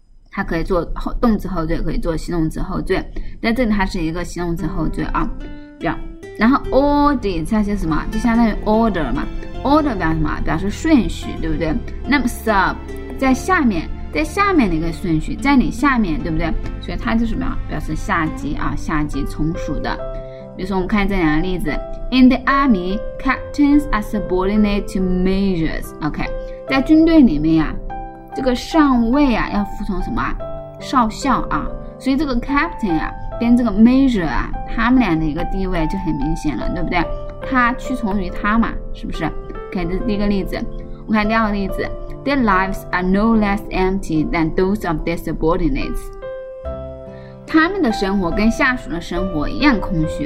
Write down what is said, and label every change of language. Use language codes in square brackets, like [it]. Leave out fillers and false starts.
[zh] 它可以做动词后缀，可以做形容词后缀，在这里它是一个形容词后缀啊，表。然后 order 它是什么？就相当于 order 嘛， order 表示什么？表示顺序，对不对？那么 sub 在下面，在下面的一个顺序，在你下面，对不对？所以它就是什么？表示下级啊，下级从属的。比如说我们看这两个例子， [en] In the army, captains are subordinate to majors. [zh] OK， 在军队里面呀，这个上尉啊要服从什么？少校啊。所以这个 captain 啊跟这个 major 啊，他们俩的一个地位就很明显了，对不对？他屈从于他嘛，是不是？OK， 这是第一个例子。我看第二个例子， [en] Their lives are no less empty than those of their subordinates， [zh] 他们的生活跟下属的生活一样空虚。